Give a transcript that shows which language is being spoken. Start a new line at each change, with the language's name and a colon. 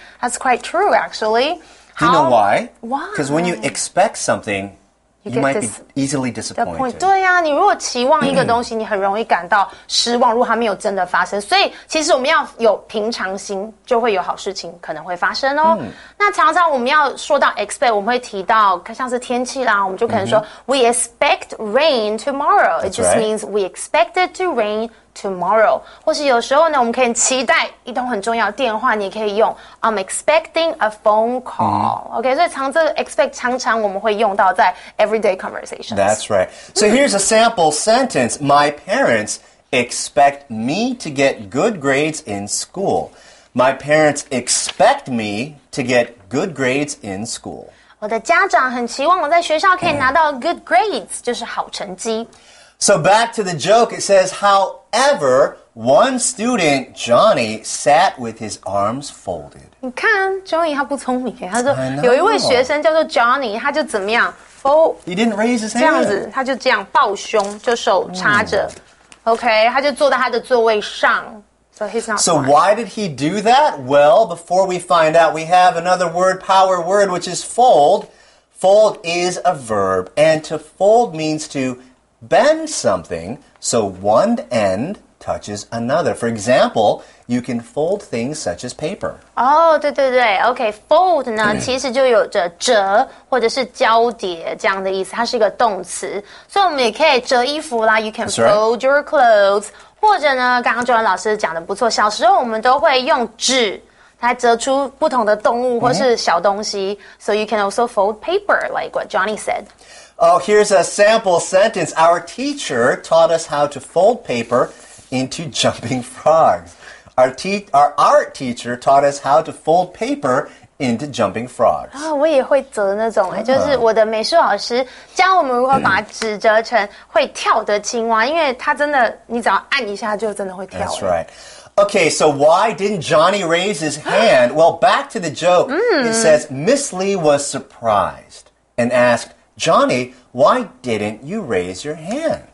English: That's right. That's quite true, actually. Do you know why? Why? Because when you expect something, you might be easily disappointed.
Chinese: 对呀、啊，你如果期望一个东西，你很容易感到失望。如果它没有真的发生，所以其实我们要有平常心，就会有好事情可能会发生哦。那常常我们要说到 expect， 我们会提到像是天气啦，我们就可能说、
English: we expect rain tomorrow. That's it just、 right. means we expect it to rain.
Chinese: Tomorrow, 或是有时候呢，我们可以期待一通很重要的电话，你也可以用
English: I'm expecting a phone call.、
Chinese: OK, 所以常这个 expect 常常我们会用到在
English: everyday conversations. That's right. So here's a sample sentence. My parents expect me to get good grades in school. My parents expect me to get good grades in school.
Chinese: 我的家长很期望我在学校可以拿到
English: good grades,
Chinese: 就是好成绩。
English: So back to the joke, it says, however, one student, Johnny, sat with his arms folded.
Chinese: 你看 ,Johnny 他不聪明耶。他说有一位学生叫做 Johnny, 他就怎么样
English: ,fold. He didn't raise his hand.
Chinese: 这样子他就这样抱胸就手插着。OK, 他就坐在他的座位上。
English: So why did he do that? Well, before we find out, we have another word, power word, which is fold. Fold is a verb, and to fold means to... bend something so one end touches another. For example, you can fold things such as paper.
Chinese: Oh, 对对对 OK, fold 呢其实就有着折或者是交叠这样的意思它是一个动词所以我们也可以折衣服啦
English: You can、 That's、 fold、 right. your clothes.
Chinese: 或者呢刚刚周文老师讲的不错小时候我们都会用纸来折出不同的动物或是小东西、
English: So you can also fold paper, like what Johnny said. Oh, here's a sample sentence. Our teacher taught us how to fold paper into jumping frogs. Our art teacher taught us how to fold paper into jumping frogs.
Chinese: 啊、我也会折那种、欸、就是我的美术老师教我们如何把纸折成会跳的青蛙、因为它真的你只要按一下就真的会跳、
English: That's right. Okay, so why didn't Johnny raise his hand? Well, back to the joke. It says Miss Lee was surprised and askedJohnny, why didn't you raise your hand?